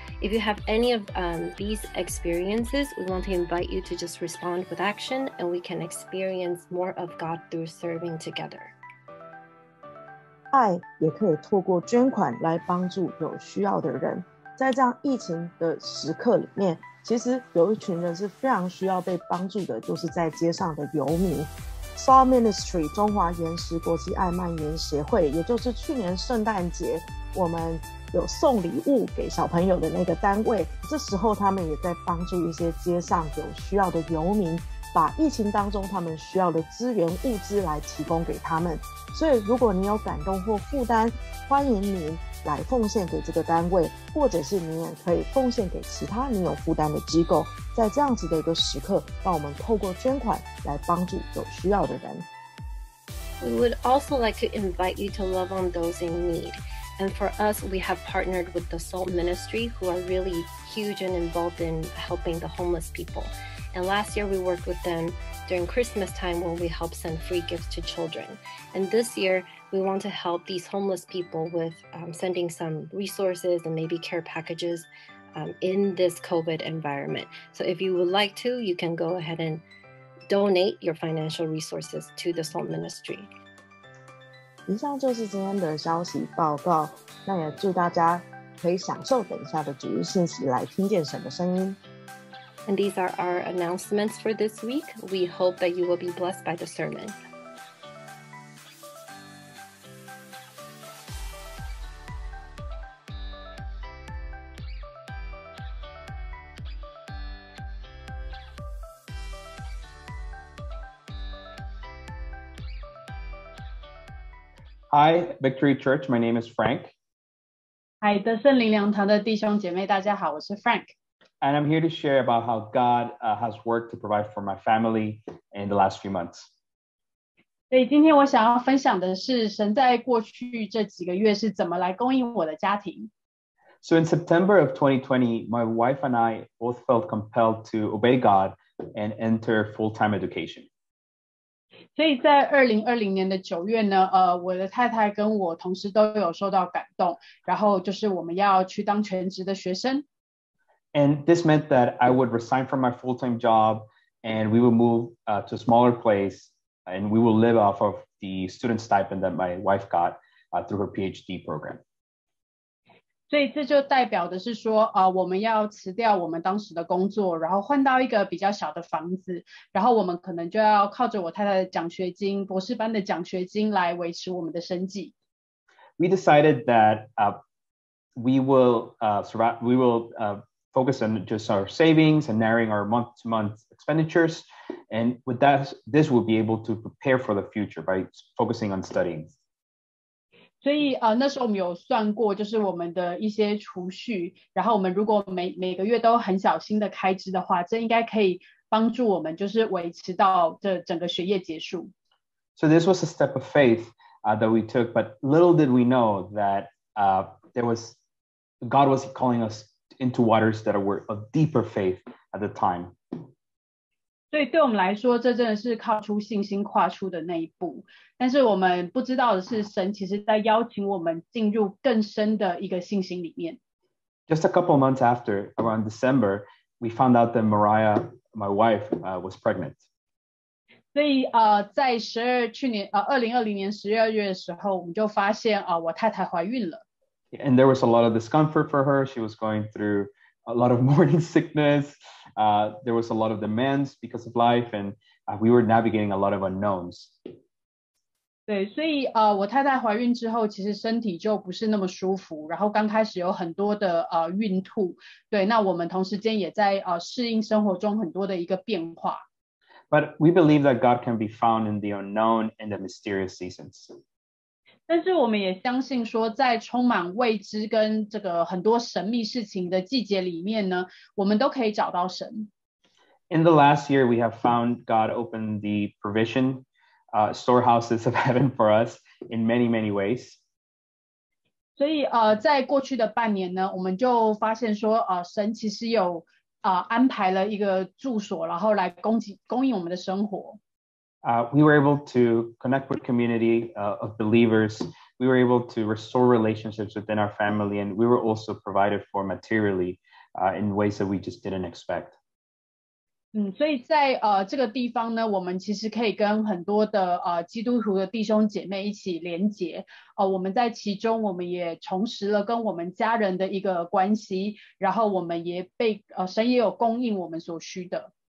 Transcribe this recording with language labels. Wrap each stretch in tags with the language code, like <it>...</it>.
<en>If you have any of these experiences, we want to invite you to just respond with action, and we can experience more of God through serving together.</en> <zh>爱也可以透过捐款来帮助有需要的人。在这样疫情的时刻里面，其实有一群人是非常需要被帮助的，就是在街上的游民。 Saw Ministry 中华岩石国际爱蔓延协会，也就是去年圣诞节我们有送礼物给小朋友的那个单位，这时候他们也在帮助一些街上有需要的游民，把疫情当中他们需要的资源物资来提供给他们。所以如果你有感动或负担，欢迎您来奉献给这个单位，或者是您也可以奉献给其他你有负担的机构。在这样子的一个时刻，让我们透过捐款来帮助有需要的人。</zh> <en>We would also like to invite you to love on those in need. And for us, we have partnered with the Salt Ministry, who are really huge and involved in helping the homeless people. And last year we worked with themDuring Christmas time when we help send free gifts to children. And this year, we want to help these homeless people with sending some resources and maybe care packages in this COVID environment. So if you would like to, you can go ahead and donate your financial resources to the Salt Ministry.</en> <zh>以上就是今天的消息报告，那也祝大家可以享受等一下的主日信息来听见什么声音。</zh> <en>And these are our announcements for this week. We hope that you will be blessed by the sermon. Hi, Victory Church. My name is Frank.</en> <zh>Hi, 德胜灵粮堂的弟兄姐妹，大家好，我是 Frank.</zh> <en>And I'm here to share about how God has worked to provide for my family in the last few months.</en> <zh>所以今天我想要分享的是，神在过去这几个月是怎么来供应我的家庭。</zh> <en>So in September of 2020, my wife and I both felt compelled to obey God and enter full-time education.</en> <zh>所以在2020年的9月呢，我的太太跟我同时都有受到感动，然后就是我们要去当全职的学生。</zh> <en>And this meant that I would resign from my full-time job and we would move to a smaller place and we would live off of the student stipend that my wife got through her PhD program.</en> <zh>所以这就代表的是说、我们要辞掉我们当时的工作，然后换到一个比较小的房子，然后我们可能就要靠着我太太的奖学金，博士班的奖学金来维持我们的生计。</zh> <en>We decided that we will focus on just our savings and narrowing our month-to-month expenditures, and with that, this will be able to prepare for the future by focusing on studying.</en> <zh>所以、那时候我们有算过就是我们的一些储蓄，然后我们如果 每个月都很小心的开支的话，这应该可以帮助我们就是维持到这整个学业结束。</zh> <en>So this was a step of faith that we took, but little did we know that God was calling us into waters that were of deeper faith at the time.</en> <zh>所以对我们来说，这真的是靠出信心跨出的那一步。但是我们不知道的是，神其实在邀请我们进入更深的一个信心里面。</zh> <en>Just a couple of months after, around December, we found out that Mariah, my wife, was pregnant.</en> <zh>所以、在2020年12月的时候，我们就发现、我太太怀孕了。</zh> <en>And there was a lot of discomfort for her. She was going through a lot of morning sickness. There was a lot of demands because of life, and we were navigating a lot of unknowns.</en> <zh>对，所以、我太太怀孕之后，其实身体就不是那么舒服，然后刚开始有很多的、孕吐。对，那我们同时间也在、适应生活中很多的一个变化。</zh> <en>But we believe that God can be found in the unknown and the mysterious seasons.</en> <zh>但是我们也相信说，在充满未知跟这个很多神秘事情的季节里面呢，我们都可以找到神。</zh> <en>In the last year, we have found God opened the provision, storehouses of heaven for us in many, many ways.</en> <zh>所以、在过去的半年呢，我们就发现说、神其实有、安排了一个住所，然后来供应我们的生活。</zh> <en>We were able to connect with community of believers. We were able to restore relationships within our family, and we were also provided for materially in ways that we just didn't expect.</en> <zh>嗯，所以在这个地方呢，我们其实可以跟很多的基督徒的弟兄姐妹一起连结。我们在其中，我们也重拾了跟我们家人的一个关系，然后我们也被神也有供应我们所需的。</zh>